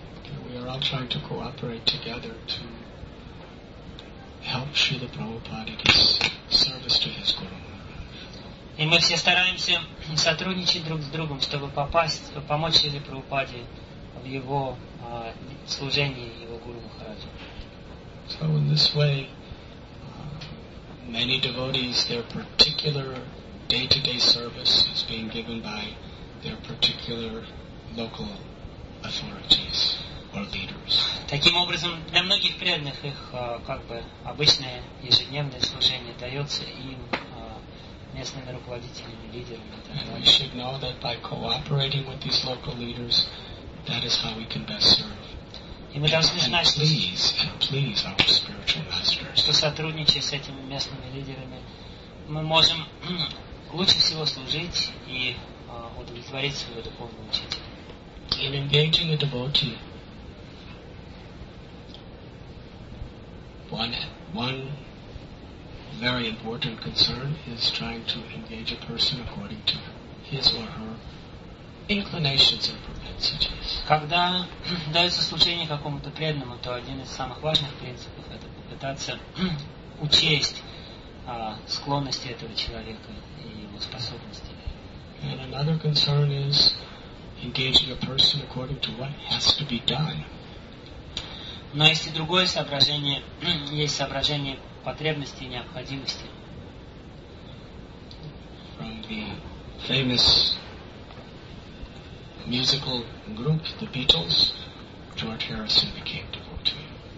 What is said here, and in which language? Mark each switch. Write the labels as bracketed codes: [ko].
[en] And we are all trying to cooperate together to help Srila Prabhupada in his service to his Guru. [ru] И мы все стараемся сотрудничать друг с другом, чтобы попасть, помочь Шриле Прабхупаде в его служении, его Гуру Махараджу. [en] So in this way, many devotees, their particular day-to-day service is being given by their particular local authorities or leaders. [ru] Таким образом, для многих преданных их как бы обычное ежедневное служение дается им местными руководителями, лидерами. [en] And we should know that by cooperating with these local leaders, that is how we can best serve. [ru] И мы должны знать, что [en] please our spiritual masters. [ru] Что сотрудничая с этими местными лидерами, мы можем лучше всего служить и удовлетворить своего духовного учителя. [en] In engaging a devotee, one very important concern is trying to engage a person according to his or her inclinations and propensities. [ru] Когда дается служение какому-то преданному, то один из самых важных принципов это попытаться учесть склонности этого человека и его способности. [en] And another concern is engaging a person according to what has to be done. [ru] Но есть и другое соображение, есть соображение потребности и необходимости. [en] From the famous musical group, the Beatles, George Harrison became devotee.